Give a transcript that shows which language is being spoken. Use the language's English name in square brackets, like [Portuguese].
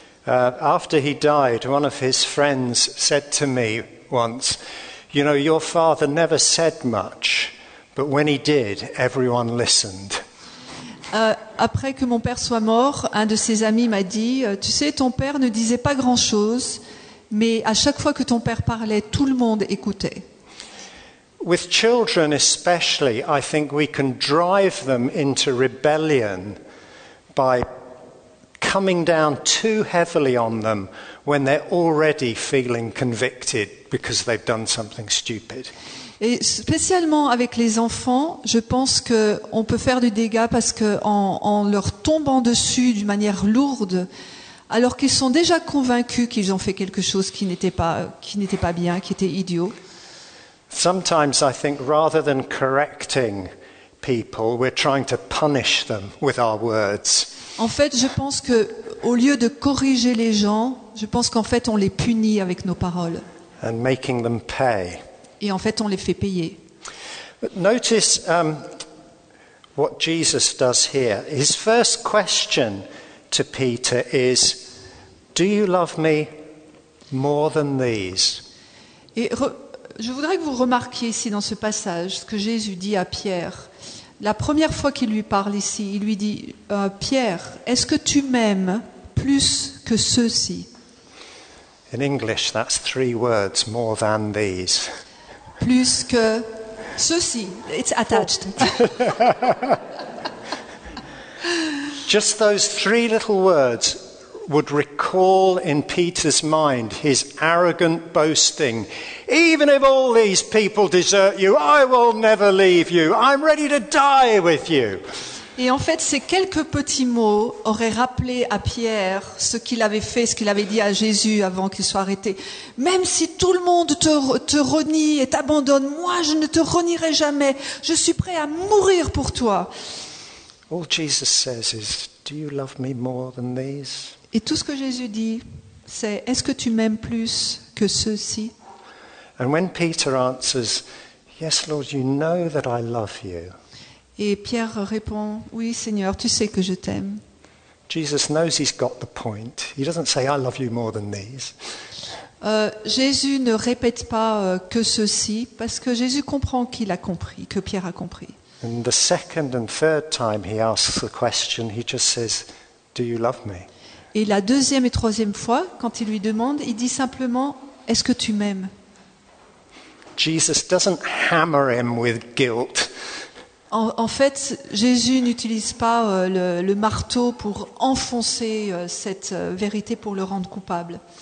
[English] After he died, one of his friends said to me once, you know, your father never said much, but when he did, everyone listened. [French] Après que mon père soit mort, un de ses amis m'a dit, tu sais, ton père ne disait pas grand-chose, mais à chaque fois que ton père parlait, tout le monde écoutait. [English] With children especially, I think we can drive them into rebellion by coming down too heavily on them when they're already feeling convicted because they've done something stupid. [French] Et spécialement avec les enfants, je pense que on peut faire du dégât parce que en leur tombant dessus d'une manière lourde, alors qu'ils sont déjà convaincus qu'ils ont fait quelque chose qui n'était pas bien, qui était idiot. [English] Sometimes I think rather than correcting people, we're trying to punish them with our words. [French] En fait, je pense que au lieu de corriger les gens, je pense qu'en fait on les punit avec nos paroles. [English] And making them pay. [French] Et en fait, on les fait payer. [English] But notice what Jesus does here. His first question to Peter is, "Do you love me more than these?" [French] Je voudrais que vous remarquiez ici dans ce passage ce que Jésus dit à Pierre. La première fois qu'il lui parle ici, il lui dit, Pierre, est-ce que tu m'aimes plus que ceci? [English] In English, that's three words, more than these. [French] Plus que ceci. [English] It's attached. Just those three little words would recall in Peter's mind his arrogant boasting. Even if all these people desert you, I will never leave you. I'm ready to die with you. [French] Et en fait, ces quelques petits mots auraient rappelé à Pierre ce qu'il avait fait, ce qu'il avait dit à Jésus avant qu'il soit arrêté. Même si tout le monde te renie et t'abandonne, moi je ne te renierai jamais. Je suis prêt à mourir pour toi. [English] All Jesus says is, do you love me more than these? [French] Et tout ce que Jésus dit, c'est, est-ce que tu m'aimes plus que ceux-ci? [English] And when Peter answers, yes, Lord, you know that I love you. [French] Et Pierre répond, oui, Seigneur, tu sais que je t'aime. [English] Jesus knows he's got the point. He doesn't say, I love you more than these. [French] Jésus ne répète pas que ceci, parce que Jésus comprend qu'il a compris, que Pierre a compris. [English] And the second and third time he asks the question, he just says, do you love me? [French] Et la deuxième et troisième fois, quand il lui demande, il dit simplement, est-ce que tu m'aimes? [English] Jesus doesn't hammer him with guilt. [French] En fait, Jésus n'utilise pas le marteau pour enfoncer cette vérité, pour le rendre coupable.